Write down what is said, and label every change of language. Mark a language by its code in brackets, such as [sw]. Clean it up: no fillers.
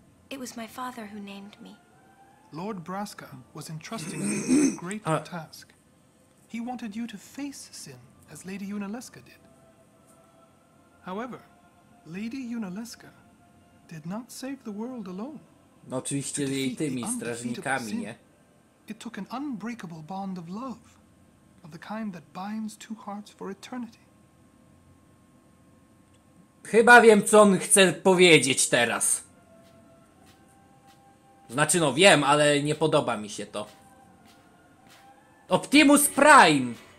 [en] It was my father who named me. Lord Braska was entrusting you with a great task. He wanted you to face sin as Lady Unalaska did. However, Lady Unalaska did not save the world alone. [pl] No, oczywiście jej tymi strażnikami, nie? [en] It took an unbreakable bond of love, of the kind that binds two hearts for eternity. [pl] Chyba wiem, co on chce powiedzieć teraz. Znaczy, no wiem, ale nie podoba mi się to. Optimus Prime!